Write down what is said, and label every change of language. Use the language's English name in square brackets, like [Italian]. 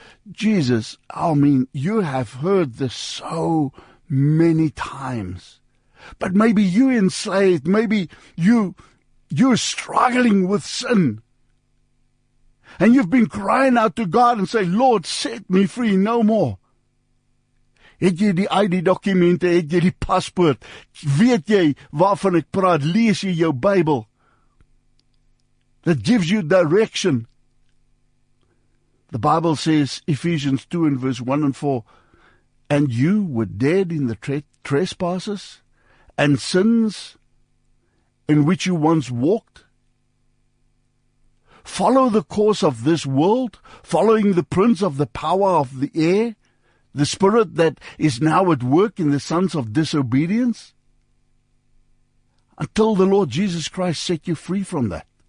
[English] Jesus, I mean, you have heard this so many times, but maybe you enslaved, maybe you're struggling with sin. And you've been crying out to God and say, Lord, set me free no more. [Afrikaans] Het jy die ID dokumente, het jy die paspoort, weet jy waarvan ek praat, lees jy jou Bybel. [English] That gives you direction. The Bible says, Ephesians 2 and verse 1 and 4, and you were dead in the trespasses and sins in which you once walked. Follow the course of this world, following the prince of the power of the air, the spirit that is now at work in the sons of disobedience, until the Lord Jesus Christ set you free from that.